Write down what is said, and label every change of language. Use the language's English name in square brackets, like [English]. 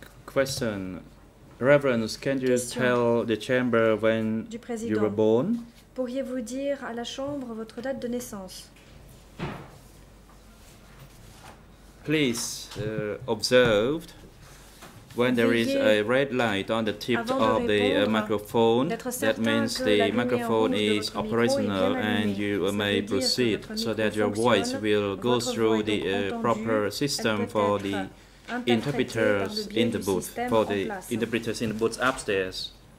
[English] Question, Reverence, can you tell the chamber when you were born? [French] Pourriez-vous dire à la chambre votre date de naissance? [English] Please observe when there is a red light on the tip of the microphone, that means the microphone is operational and you may proceed so that your voice will go through the proper system for the interpreters in the booth, for the interpreters in the booth upstairs.